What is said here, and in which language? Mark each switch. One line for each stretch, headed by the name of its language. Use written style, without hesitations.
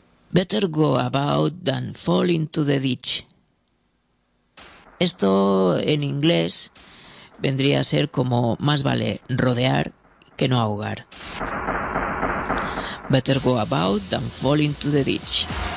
English: Better go about than fall into the ditch.
Spanish: Esto en inglés vendría a ser como más vale rodear que no ahogar.
English: Better go about than fall into the ditch.